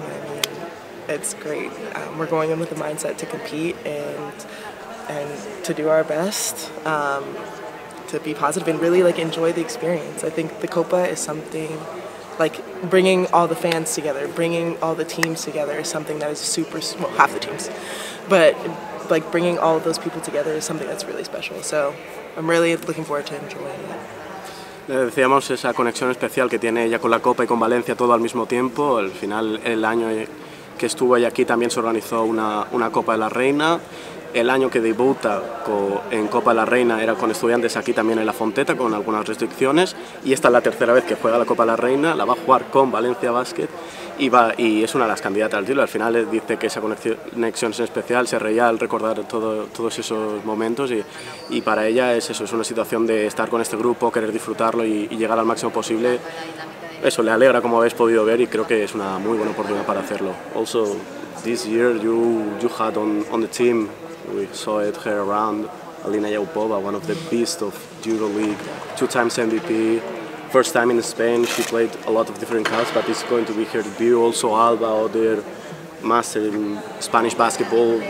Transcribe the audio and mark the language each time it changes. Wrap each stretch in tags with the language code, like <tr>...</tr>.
<en>I mean, it's great. We're going in with the mindset to compete and to do our best, to be positive and really like enjoy the experience. I think the Copa is something like bringing all the fans together, bringing all the teams together is something that is super, well, half the teams, but like bringing all of those people together is something that's really special. So I'm really looking forward to enjoying it.</en> <es>Le decíamos esa conexión especial que tiene ella con la Copa y con Valencia todo al mismo tiempo. Al final, el año que estuvo ella aquí también se organizó una Copa de la Reina. El año que debuta en Copa de la Reina era con Estudiantes aquí también en La Fonteta, con algunas restricciones. Y esta es la tercera vez que juega la Copa de la Reina, la va a jugar con Valencia Basket y es una de las candidatas al título. Al final dice que esa conexión es especial, se reía al recordar todos esos momentos y para ella es eso, es una situación de estar con este grupo, querer disfrutarlo y llegar al máximo posible. Eso le alegra, como habéis podido ver, y creo que es una muy buena oportunidad para hacerlo.</es> <en>Also, this year you had on the team. We saw it her around Alina Yaupova, one of the best of EuroLeague, two times MVP, first time in Spain. She played a lot of different cups, but it's going to be her debut. Also Alba, other master in Spanish basketball.</en>